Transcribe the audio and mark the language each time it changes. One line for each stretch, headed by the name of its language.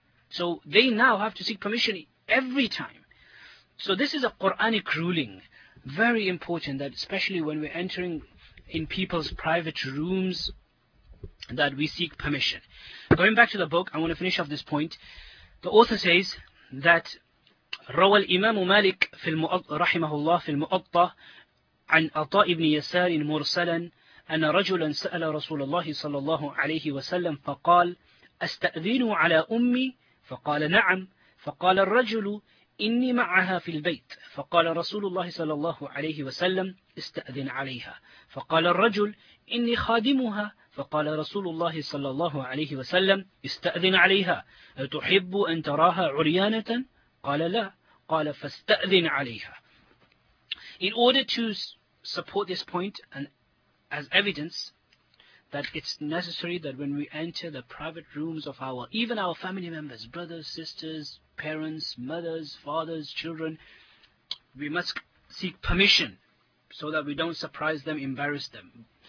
English: So they now have to seek permission every time. So this is a Quranic ruling. Very important that especially when we're entering in people's private rooms, that we seek permission. Going back to the book, I want to finish off this point. The author says that
Arabic: رَوَى الْإِمَامُ مَالِكُ فِي الْمُؤَطَّ رَحِمَهُ اللَّهُ فِي الْمُؤَطَّ عَنْ أَطَاءِ بْنِ يَسَارٍ مُرْسَلًا أَنَّ رَجُلًا سَأَلَ رَسُولَ اللَّهِ صَلَى اللَّهُ عَلَيْهِ وَسَلَّمَ فَقَالَ أَسْتَأْذِنُ عَلَى أُمِّي؟ فَقَالَ نَعَمْ. فَقَالَ الرَّجُلُ إني معها في البيت. فقال رسول الله صلى الله عليه وسلم استأذن عليها. فقال الرجل إني خادمها. فقال رسول الله صلى الله عليه وسلم استأذن عليها. تحب أن تراها عريانة؟ قال لا. قال فاستأذن عليها.
English: In order to support this point and as evidence that it's necessary that when we enter the private rooms of our, even our family members, brothers, sisters, parents, mothers, fathers, children, we must seek permission so that we don't surprise them, embarrass them.